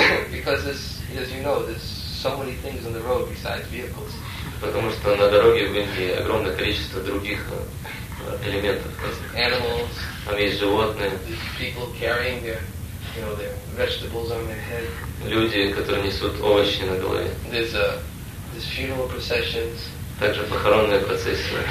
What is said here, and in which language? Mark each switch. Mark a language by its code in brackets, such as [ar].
[en] Because this, as you know, there's so many things on the road besides vehicles. [ru] Потому что на дороге в Индии огромное количество других элементов. [en] Animals. [ru] Там есть животные. [en] People carrying their, you know, their vegetables on their head. [ru] Люди, которые несут овощи на голове. [en] There's funeral processions. [ru] Также похоронные процессии.